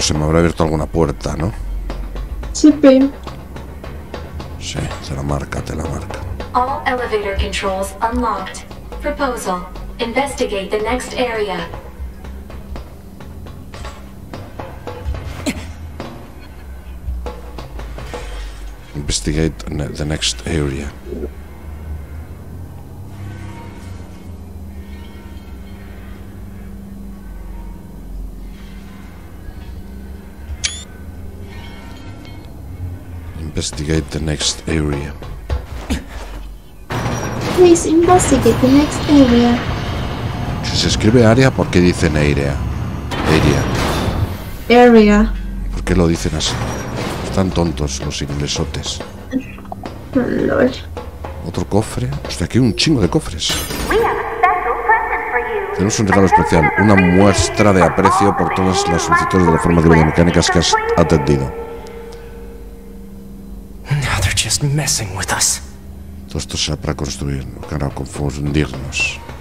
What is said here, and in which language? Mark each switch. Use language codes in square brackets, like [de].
[es] Se me habrá abierto alguna puerta, ¿no? Sí, Pim. Sí, te la marca, te la marca. [en] All elevator controls unlocked. Proposal. Investigate the next area. Investigate the next area. Investigate the next area. Please investigate the next area. [es] Si se escribe área, ¿por qué dicen area? [en] Area. Area. [es] ¿Por qué lo dicen así? Están tontos los inglesotes. Lol. Otro cofre. Hostia, aquí hay un chingo de cofres. [en] We have a special present for you. [es] Tenemos un regalo especial, una muestra de aprecio por todas las solicitudes de la forma de vida mecánicas que has atendido. Todo esto será para construir, no para confundirnos.